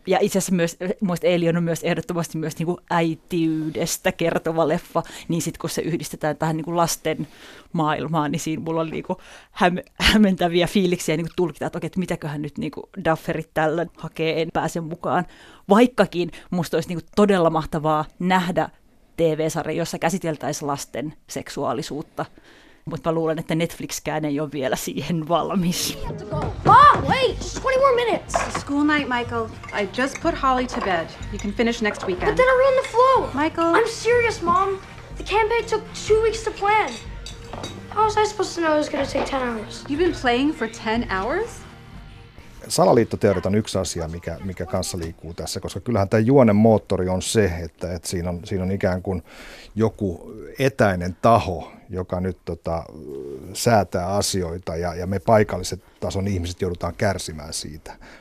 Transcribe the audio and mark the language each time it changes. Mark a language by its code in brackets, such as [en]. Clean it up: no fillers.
[fi] Ja itse asiassa myös, muista Alien on myös ehdottomasti myös niin kuin äitiydestä kertova leffa, niin sitten kun se yhdistetään tähän niin kuin lasten maailmaan, niin siinä mulla on niin kuin hämmentäviä fiiliksiä niin kuin tulkita, että okei, että mitäköhän nyt niin kuin Dufferit tällä hakee, en pääse mukaan. Vaikkakin musta olisi niin kuin todella mahtavaa nähdä TV-sarja, jossa käsiteltäisiin lasten seksuaalisuutta. Mutta mä luulen, että Netflixkään ei ole vielä siihen valmis. [en] Mom, wait, just 20 more minutes. It's school night, Michael. I just put Holly to bed. You can finish next weekend. But then I ruined the flow. Michael. I'm serious, Mom. The campaign took 2 weeks to plan. How was I supposed to know it was going to take 10 hours? You've been playing for 10 hours? [fi] Salaliittoteoriat on yksi asia, mikä kanssa liikkuu tässä, koska kyllähän tämä juonen moottori on se, että siinä on ikään kuin joku etäinen taho, joka nyt säätää asioita, ja me paikalliset tason ihmiset joudutaan kärsimään siitä.